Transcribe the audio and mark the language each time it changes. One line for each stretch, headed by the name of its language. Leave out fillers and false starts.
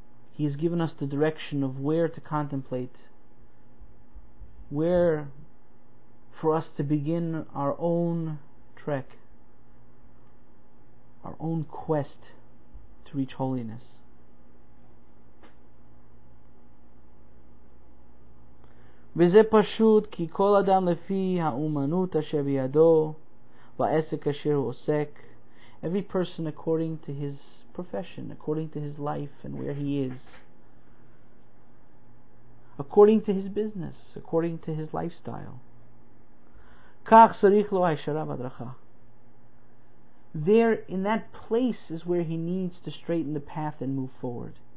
English: He has given us the direction of where to contemplate, where for us to begin our own trek, our own quest to reach holiness.
Hebrew: וזה פשוט כי כל אדם לפי האומנות אשר בידו והעסק אשר הוא עוסק.
English: Every person according to his profession, according to his life and where he is, according to his business, according to his lifestyle.
Hebrew: כך צריך לו הישרה והדרכה.
English: There, in that place, is where he needs to straighten the path and move forward.